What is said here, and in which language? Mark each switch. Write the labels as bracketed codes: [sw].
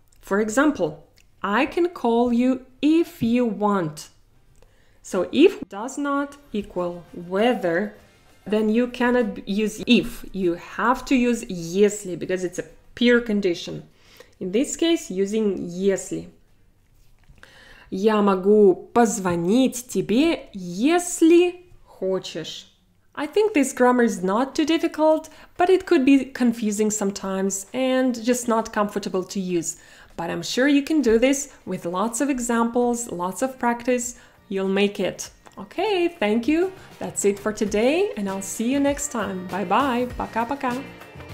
[en] For example, I can call you if you want. So if does not equal whether, then you cannot use if. You have to use если, because it's a pure condition. In this case, using если. [ru] Я могу позвонить тебе, если хочешь. [en] I think this grammar is not too difficult, but it could be confusing sometimes and just not comfortable to use. But I'm sure you can do this with lots of examples, lots of practice. You'll make it. Okay, thank you. That's it for today, and I'll see you next time. Bye-bye. [ru] Пока-пока.